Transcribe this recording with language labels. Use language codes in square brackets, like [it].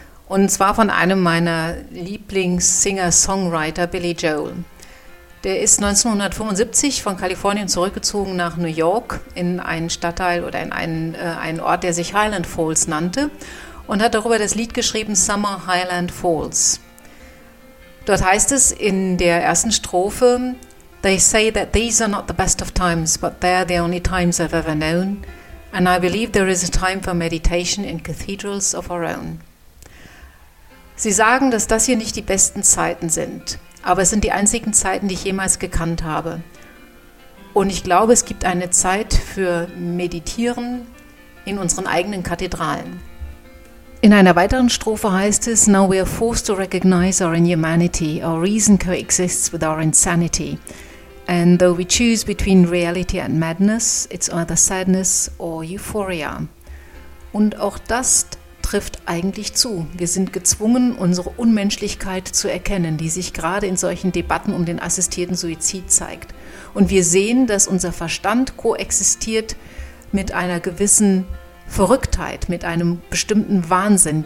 [de] Und zwar von einem meiner Lieblings-Singer-Songwriter, Billy Joel. Der ist 1975 von Kalifornien zurückgezogen nach New York in einen Stadtteil oder in einen Ort, der sich Highland Falls nannte, und hat darüber das Lied geschrieben, Summer Highland Falls. Dort heißt es in der ersten Strophe, [en] They say that these are not the best of times, but they are the only times I've ever known, and I believe there is a time for meditation in cathedrals of our own. [de] Sie sagen, dass das hier nicht die besten Zeiten sind, aber es sind die einzigen Zeiten, die ich jemals gekannt habe. Und ich glaube, es gibt eine Zeit für Meditieren in unseren eigenen Kathedralen. In einer weiteren Strophe heißt es, [en] Now we are forced to recognize our inhumanity, our reason coexists with our insanity. And though we choose between reality and madness, it's either sadness or euphoria. [de] Und auch das trifft eigentlich zu. Wir sind gezwungen, unsere Unmenschlichkeit zu erkennen, die sich gerade in solchen Debatten um den assistierten Suizid zeigt. Und wir sehen, dass unser Verstand koexistiert mit einer gewissen Verrücktheit, mit einem bestimmten Wahnsinn.